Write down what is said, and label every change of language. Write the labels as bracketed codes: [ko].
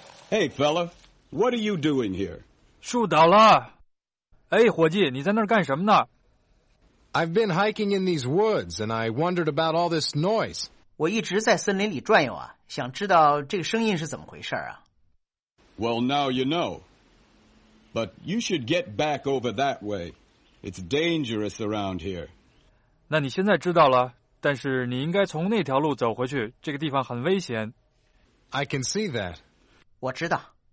[en] Hey, fella, what are you doing here? [zh] 树倒了。哎，伙计，你在那儿干什么呢？ [en] I've been hiking in these woods, and I wondered about all this noise. [zh] 我一直在森林里转悠啊，想知道这个声音是怎么回事啊。 [en] Well, now you know. But you should get back over that way. It's dangerous around here. [zh] 那你现在知道了，但是你应该从那条路走回去，这个地方很危险。 [en] I can see that. [zh] 我知道。